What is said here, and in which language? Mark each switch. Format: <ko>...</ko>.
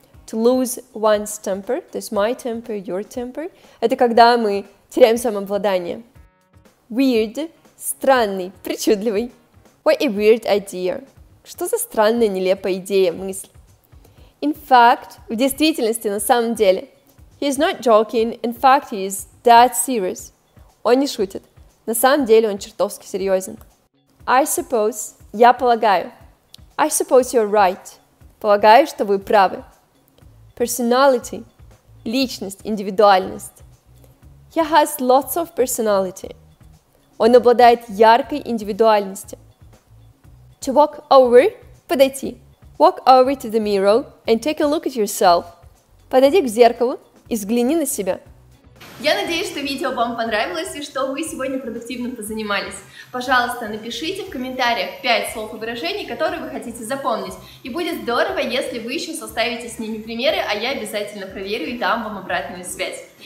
<en>To lose one's temper,</en> <ru>то есть</ru> <en>my temper, your temper,</en> <ru>это когда мы теряем самообладание. Weird, странный, причудливый.</ru> <en>What a weird idea.</en> <ru>Что за странная, нелепая идея, мысль? In fact, в действительности, на самом деле.</ru> <en>He is not joking, in fact, he is that serious.</en> <ru>Он не шутит. На самом деле он чертовски серьезен.</ru> <en>I suppose.</en> <ru>Я полагаю.</ru> <en>I suppose you're right.</en> <ru>Полагаю, что вы правы.</ru> <en>Personality.</en> <ru>Личность, индивидуальность.</ru> <en>He has lots of personality.</en> <ru>Он обладает яркой индивидуальностью.</ru> <en>to walk over, подойти. Walk over to the mirror and take a look at yourself.</en> <ru>Подойди к зеркалу и взгляни на себя. Я надеюсь, что видео вам понравилось и что вы сегодня продуктивно позанимались. Пожалуйста, напишите в комментариях 5 слов и выражений, которые вы хотите запомнить. И будет здорово, если вы еще составите с ними примеры, а я обязательно проверю и дам вам обратную связь.</ru>